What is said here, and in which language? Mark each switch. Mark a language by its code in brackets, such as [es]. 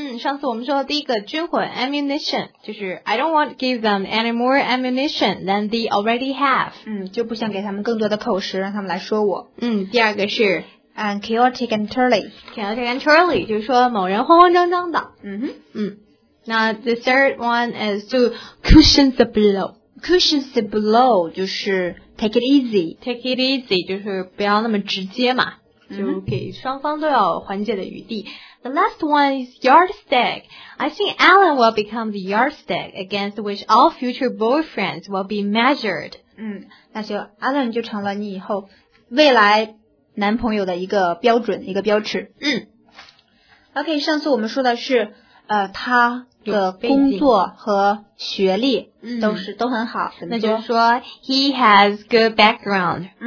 [zh] 上次我们说的第一个军火 [en] ammunition, 就是 I don't want to give them any more ammunition than they already have. [zh] 就不想给他们更多的口实，让他们来说我。第二个是 [en] and chaotic and turly. Chaotic and turly, [zh] 就是说某人慌慌张张的。 [en] Now the third one is to cushion the blow. Cushions the blow, [zh] 就是 [en] take it easy. Take it easy, [zh] 就是不要那么直接嘛、就给双方都要缓解的余地。 [en] The last one is yardstick. I think Alan will become the yardstick against which all future boyfriends will be measured. [zh] 那就 Alan 就成了你以后未来男朋友的一个标准，一个标尺。 OK, 上次我们说的是他的工作和学历都很好，那就是说 [en] he has good background。